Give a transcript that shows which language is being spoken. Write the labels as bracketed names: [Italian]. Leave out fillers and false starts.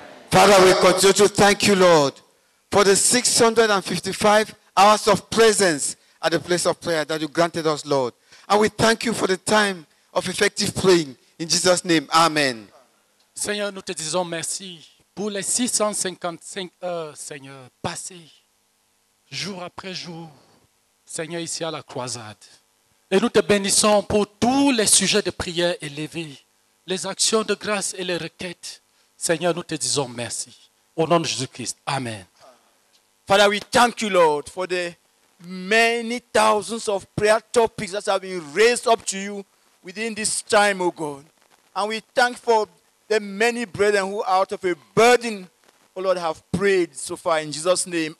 [English] Father, we continue to thank you, Lord, for the 655 hours of presence at the place of prayer that you granted us, Lord. And we thank you for the time of effective praying. In Jesus' name, amen. [French] Seigneur, nous te disons merci pour les 655 heures, Seigneur, passées jour après jour, Seigneur, ici à la croisade. Et nous te bénissons pour tous les sujets de prière élevés, les actions de grâce et les requêtes. Seigneur, nous te disons merci. Au nom de Jésus-Christ, amen. [English] Father, we thank you, Lord, for the many thousands of prayer topics that have been raised up to you within this time, O God. And we thank for the many brethren who out of a burden, O Lord, have prayed so far in Jesus' name.